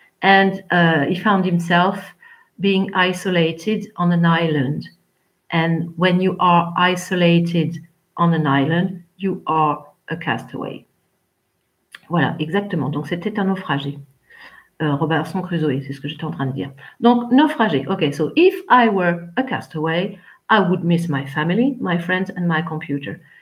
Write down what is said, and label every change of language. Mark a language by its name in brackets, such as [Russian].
[English] And he found himself being isolated on an island. And when you are isolated on an island, you are a castaway. [French] Voilà, exactement. Donc, c'était un naufragé. Robinson Crusoe, c'est ce que j'étais en train de dire. Donc, naufragé. [English] Okay, so if I were a castaway, I would miss my family, my friends, and my computer.